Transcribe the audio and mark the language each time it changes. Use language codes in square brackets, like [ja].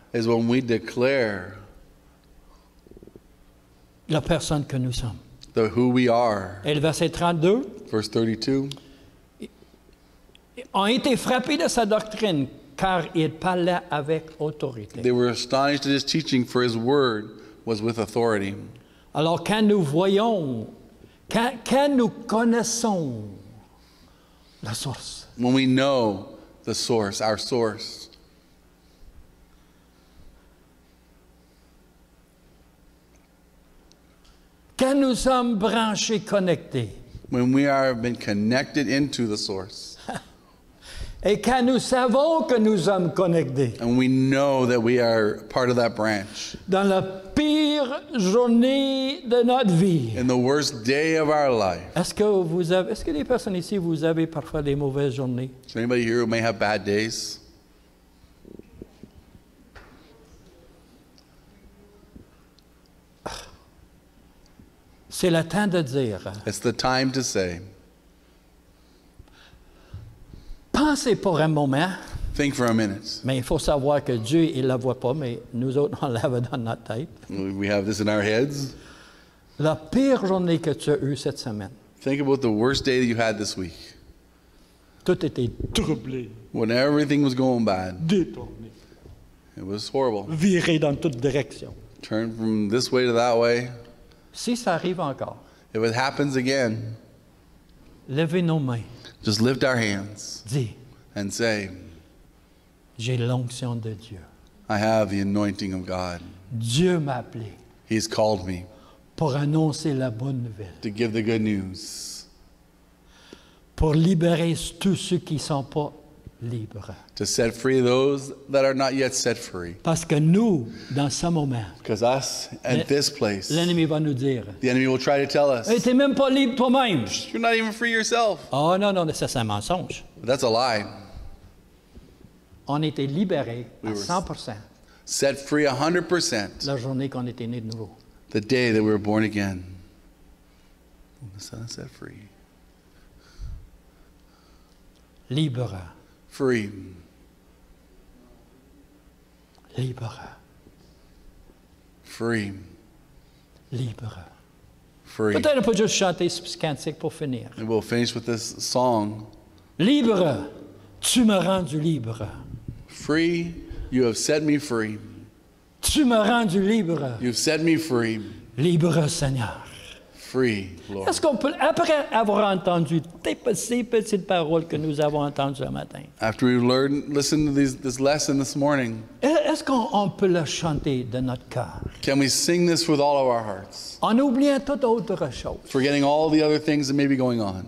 [en] Is when we declare. [fr] La personne que nous sommes. [en] The who we are. [fr] Et le verset 32. [en] Verse 32. [fr] Ont été frappés de sa doctrine, car il parlait avec autorité. [en] They were astonished at his teaching, for his word was with authority. [fr] Alors, quand nous voyons, quand nous connaissons la source. [en] When we know the source, our source. [fr] Quand nous sommes branchés, connectés. [en] When we are been connected into the source. [fr] Et quand nous savons que nous sommes connectés. [en] And we know that we are part of that branch. [fr] Dans la pire journée de notre vie. [en] In the worst day of our life. [fr] Est-ce que les personnes ici, vous avez parfois des mauvaises journées? [en] Is there anybody here who may have bad days? [fr] C'est le temps de dire. [en] It's the time to say. [fr] Pensez pour un moment. [en] Think for a minute. [fr] Mais il faut savoir que Dieu, il ne la voit pas, mais nous autres, on l'avait dans notre tête. [en] We have this in our heads. [fr] La pire journée que tu as eue cette semaine. [en] Think about the worst day that you had this week. [fr] Tout était troublé. [en] When everything was going bad. [fr] Détourné. [en] It was horrible. [fr] Virer dans toutes directions. [en] Turn from this way to that way. [fr] Si ça arrive encore. [en] If it happens again. [fr] Levez nos mains. [en] Just lift our hands. [fr] Dis. [en] And say. [fr] J'ai l'onction de Dieu. [en] I have the anointing of God. [fr] Dieu m'a appelé. [en] He's called me. [fr] Pour annoncer la bonne nouvelle. [en] To give the good news. [fr] Pour libérer tous ceux qui sont pas libres. [en] To set free those that are not yet set free. [fr] Parce que nous, dans ce moment, [en] because us at this place, [fr] l'ennemi va nous dire, [en] the enemy will try to tell us, [fr] et t'es même pas libre toi-même. [en] You're not even free yourself. [fr] Oh non, non, ça c'est un mensonge. [en] That's a lie. [fr] On était libérés à 100%. [en] Set free 100%. [fr] La journée qu'on était nés de nouveau. [en] The day that we were born again. When the Son set free. [fr] Libre. [en] Free. [fr] Libre. [en] Free. [fr] Libre. [en] Free. [fr] Peut-être on peut juste chanter ce cantique pour finir. [en] And we'll finish with this song. [fr] Libre. Tu m'as rendu libre. [en] Free. You have set me free. [fr] Tu m'as rendu libre. [en] You've set me free. [fr] Libre, Seigneur. [en] Free, Lord. [fr] Est-ce qu'on peut, après avoir entendu ces petites paroles que nous avons entendues ce matin, [en] after we've learned, listened to this lesson this morning, [fr] est-ce qu'on peut le chanter de notre cœur? [en] Can we sing this with all of our hearts? [fr] En oubliant toute autre chose. [en] Forgetting all the other things that may be going on.